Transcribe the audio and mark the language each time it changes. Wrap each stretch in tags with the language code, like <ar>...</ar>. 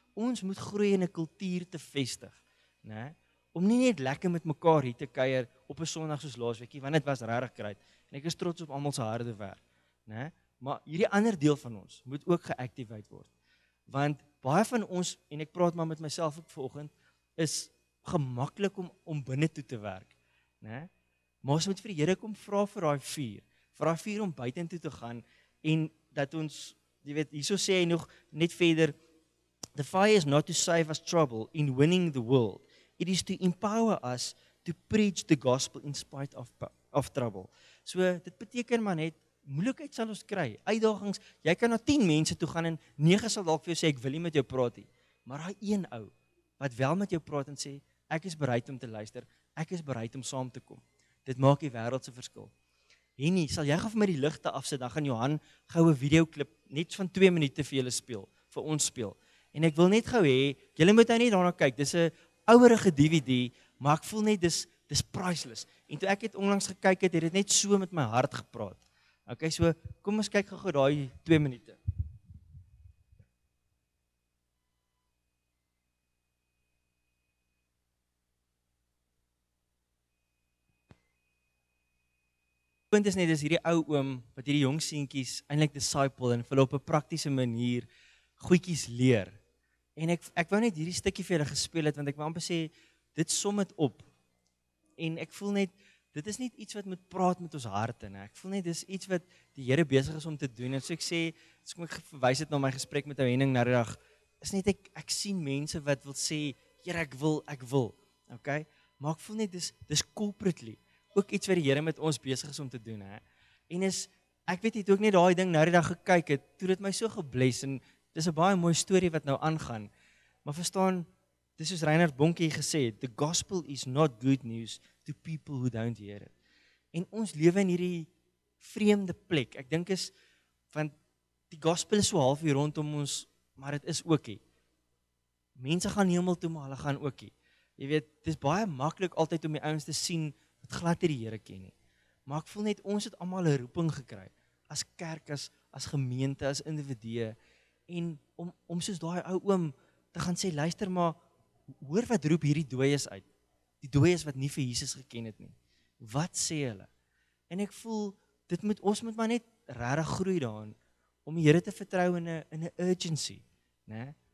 <af>Ons moet groei in 'n kultuur te vestig, né? Om nie net lekker met mekaar hier te kuier op 'n Sondag soos laasweekie, want dit was regtig kruit. En ek is trots op almal se harde werk, né? Maar hierdie ander deel van ons moet ook geactiveer word. Want baie van ons, en ek praat maar met myself ook vanoggend, is gemaklik om binne toe te werk, né? Maar ons moet vir die Here kom vra vir daai vuur, om buitentoe te gaan en dat ons, jy weet, hieso sê hy nog net verder,</af> <en>the fire is not to save us trouble in winning the world. It is to empower us to preach the gospel in spite of trouble.</en> <af>So, dit beteken maar net, moeilikheid sal ons kry, uitdagings, jy kan na 10 mense toe gaan en 9 sal dalk vir jou sê, ek wil nie met jou praat nie. Maar daai een ou, wat wel met jou praat en sê, ek is bereid om te luister, ek is bereid om saam te kom. Dit maak die wêreld se verskil. Hennie, sal jy gaan vir my die ligte afsit, dan gaan Johan gou 'n videoklip, net van 2 minute vir julle speel, vir ons speel. En ek wil net gou hê, julle moet nou nie daarna kyk, dis 'n ouerige DVD, maar ek voel net dis priceless. En toe ek het onlangs gekyk het, het dit net so met my hart gepraat. Okay, so kom ons kyk gou daai 2 minute. Punt is net dis hierdie ou oom wat hierdie jong seentjies eintlik disciple en hulle op 'n praktiese manier goedjies leer. En ek wou net hierdie stukkie vir julle gespeel het, want ek wou amper sê, dit som het op. En ek voel net, dit is net iets wat moet praat met ons harte. Ne? Ek voel net, dit is iets wat die Here besig is om te doen. En so ek sê, as ek verwys het na my gesprek met Henning na die dag, is net ek sien mense wat wil sê, Here, ek wil. Okay? Maar ek voel net, dit is corporately. Ook iets wat die Here met ons besig is om te doen. Ne? En is, ek weet nie, toe ek net daai ding na die dag gekyk het, toe dit my so gebless en, dis 'n baie mooi storie wat nou aangaan. Maar verstaan, dis soos Reinhard Bonnke gesê het,</af> <en>the gospel is not good news to people who don't hear it.</en> <af>En ons lewe in hierdie vreemde plek. Ek dink is, want die gospel is so half hier rondom ons, maar het is ookie. Mense gaan hemel toe, maar hulle gaan ookie. Jy weet, dis baie maklik altyd om die ouens te sien, wat glad die Here ken nie. Maar ek voel net, ons het allemaal 'n roeping gekry, as kerk, as gemeente, as individue, en om soos daai ou oom te gaan sê, luister maar, hoor wat roep hierdie dooies uit, die dooies wat nie vir Jesus geken het nie, wat sê hulle, en ek voel, ons moet maar net rarig groei daarin, om die Here te vertrou</af> <en>in a urgency,</en> <af>ne?</af>